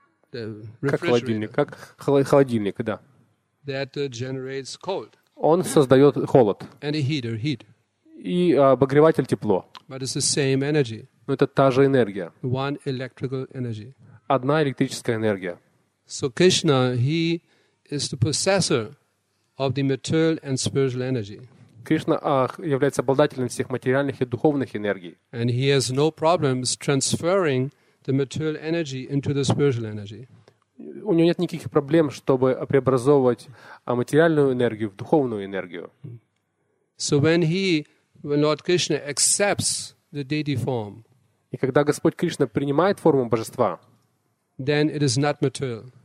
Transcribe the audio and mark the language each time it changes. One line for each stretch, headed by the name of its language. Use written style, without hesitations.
Russian: Как холодильник? Как холодильник, да?
English: That generates cold.
Russian: Он создает холод.
English: And a heater, heat.
Russian: И обогреватель тепло.
English: But it's the same energy.
Russian: Но это та же энергия.
English: One electrical energy.
Russian: Одна электрическая энергия.
English: So Krishna, he is the possessor of the material and spiritual energy.
Russian: Кришна является обладателем всех материальных и духовных энергий.
English: And he has no problems transferring the material energy into the spiritual energy.
Russian: У него нет никаких проблем, чтобы преобразовывать материальную энергию в духовную энергию.
English: So when Lord Krishna accepts the deity form,
Russian: и когда Господь Кришна принимает форму божества,
English: then it is not material.